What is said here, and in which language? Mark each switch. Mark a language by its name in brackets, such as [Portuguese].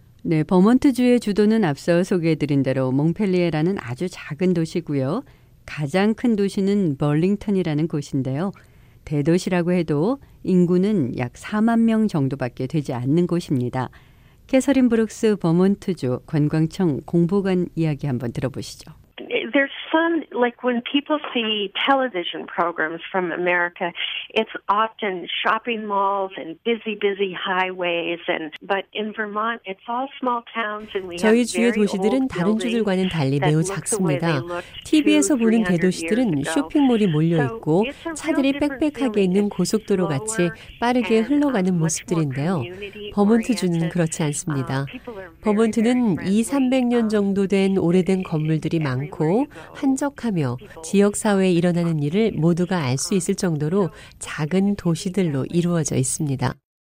[Korean] 네, 버먼트주의 주도는 앞서 소개해드린 대로 몽펠리에라는 아주 작은 도시고요. 가장 큰 도시는 버링턴이라는 곳인데요. 대도시라고 해도 인구는 약 4만 명 정도밖에 되지 않는 곳입니다. 캐서린 브룩스 버먼트주 관광청 공보관 이야기 한번 들어보시죠. [English] There's some, like when people see television programs from America, it's often shopping malls and busy, busy highways. And but in Vermont, it's all small towns. And we [Korean] 저희 주요 도시들은 다른 주들과는 달리 매우 작습니다. TV에서 보는 대도시들은 쇼핑몰이 몰려 있고 차들이 빽빽하게 있는 고속도로 같이 빠르게 흘러가는 모습들인데요. 버몬트주는 그렇지 않습니다. 버몬트는 2-300년 정도 된 오래된 건물들이 많고 한적하며 지역사회에 일어나는 일을 모두가 알 수 있을 정도로 작은 도시들로 이루어져 있습니다.